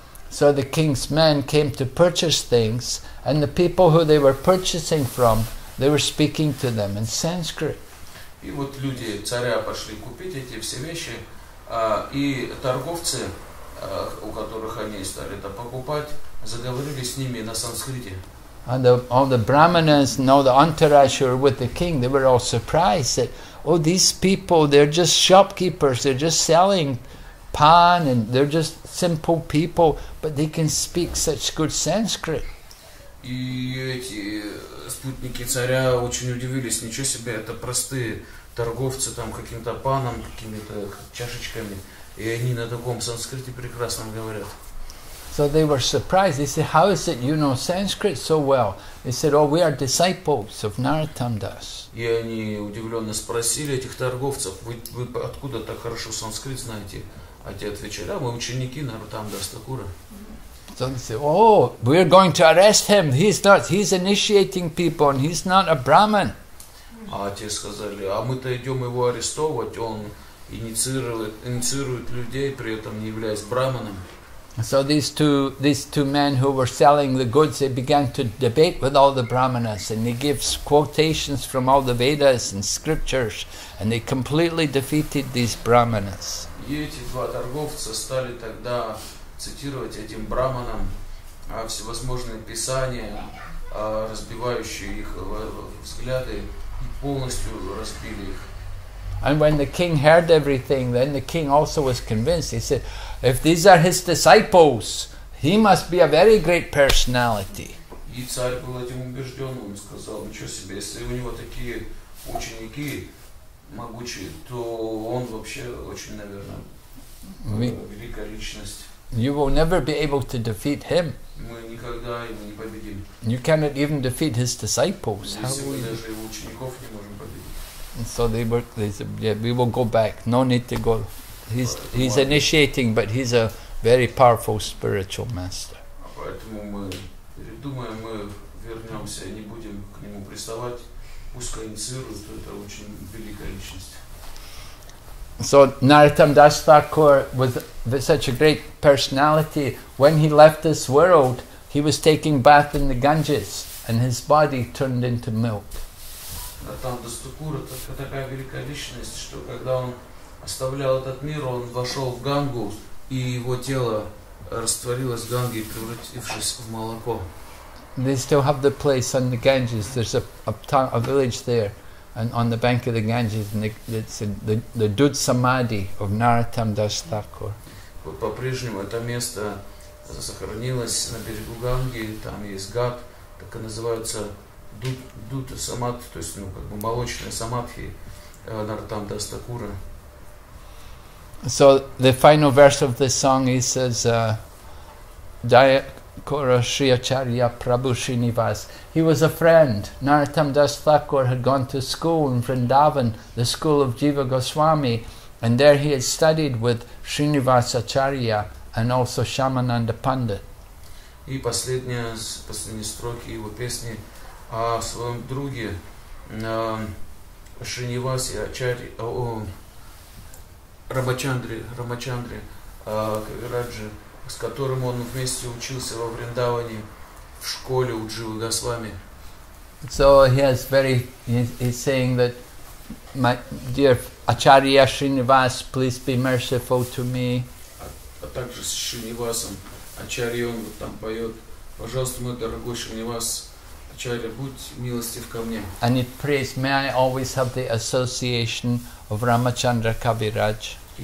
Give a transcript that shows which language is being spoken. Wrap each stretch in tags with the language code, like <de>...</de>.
<en>So the king's men came to purchase things, and the people who they were purchasing from, They were speaking to them in Sanskrit.</en> <ru>И вот люди царя пошли купить эти все вещи, и торговцы, у которых они стали это покупать, заговорили с ними на санскрите.</ru> <en>And all the brahmanas, and all the entourage who were with the king, they were all surprised that, oh, these people, they're just shopkeepers, they're just selling pan, and they're just simple people, but they can speak such good Sanskrit.</en> <ru>И эти спутники царя очень удивились, ничего себе, это простые торговцы там каким-то паном, какими-то чашечками, и они на таком санскрите прекрасном говорят.</ru> <en>So they were surprised. They said, how is it you know Sanskrit so well? They said, oh, we are disciples of Narottam Das.</en> <ru>И они удивленно спросили этих торговцев, вы откуда так хорошо санскрит знаете? А те отвечали, да, мы ученики Narottam Das Thakura.</ru> <en>So they said, oh, we are going to arrest him. He's initiating people and he's not a Brahmin.</en> <ru>А те сказали, а мы-то идем его арестовывать. Он инициирует людей, при этом не являясь Брахманом.</ru> <en>So these two men who were selling the goods, they began to debate with all the brahmanas, and they give quotations from all the Vedas and scriptures, and they completely defeated these brahmanas.</en> <ru>И эти два торговца стали тогда цитировать этим брахманам всевозможные писания, разбивающие их взгляды, и полностью разбили их.</ru> <en>And when the king heard everything, then the king also was convinced. He said, if these are his disciples, he must be a very great personality.</en> <ru>И царь был этим убежден, он сказал, ничего себе, если у него такие ученики могучие, то он вообще очень, наверное, великая личность.</ru> <en>You will never be able to defeat him.</en> <ru>Мы никогда его не победим.</ru> <en>You cannot even defeat his disciples.</en> <ru>Если мы даже его учеников не можем победить.</ru> <en>And so they said, yeah, we will go back. No need to go. He's initiating, but he's a very powerful spiritual master.</en> <ru>Поэтому мы передумаем, мы вернемся, не будем к нему приставать. Пускай инициирует, это очень великая личность.</ru> <en>So Narottam Das Thakur was such a great personality. When he left this world, he was taking bath in the Ganges, and his body turned into milk.</en> <ru>Там Дастукура такая великая личность, что когда он оставлял этот мир, он вошел в Гангу, и его тело растворилось в Ганге, превратившись в молоко.</ru> <en>They still have the place on the Ganges. There's a village there, and on the bank of the Ganges, and it's in the Dud Samadhi of Narottam Das Thakur.</en> <ru>По-прежнему это место сохранилось на берегу Ганги. Там есть гад, так и называются. Дута Самадхи, то есть, ну, как бы молочная Самадхи, Нартам Дас Такура.</ru> <en>So the final verse of this song, he says,</en> <bn>Daya Kora Shri Acharya Prabhu Srinivas.</bn> <en>He was a friend. Narottam Das Thakur had gone to school in Vrindavan, the school of Jiva Goswami, and there he had studied with Srinivas Acharya and also Shamananda Pandit.</en> <ru>И последние строки его песни о своем друге Шринивасе Ачарье, о Рамачандре Кавираджи, с которым он вместе учился во Вриндаване в школе у Дживы Госвами.</ru> <en>So he's saying that my dear Acharya Srinivas, please be merciful to me.</en> <ru>А также с Шринивасом Ачарье он вот там поет, пожалуйста, мой дорогой Шринивас.</ru> <en>And he prays, may I always have the association of Ramachandra Kaviraj.</en>